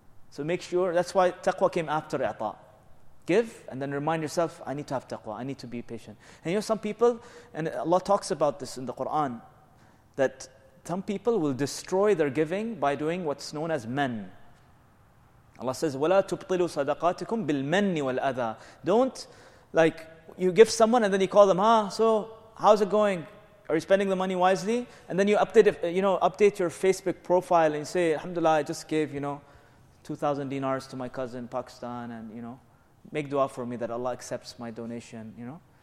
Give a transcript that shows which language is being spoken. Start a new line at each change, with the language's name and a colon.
English: So make sure, that's why taqwa came after i'ta. Give, and then remind yourself, I need to have taqwa, I need to be patient. And you know some people, and Allah talks about this in the Quran, that some people will destroy their giving by doing what's known as men.
Arabic: Allah says, وَلَا تُبْطِلُوا صَدَقَاتِكُمْ بِالْمَنِّ وَالْأَذَىٰ.
English: Don't, like, you give someone and then you call them, so how's it going? Are you spending the money wisely? And then you update your Facebook profile and say, Alhamdulillah, I just gave, you know, 2,000 dinars to my cousin in Pakistan and, you know, make dua for me that Allah accepts my donation, you know.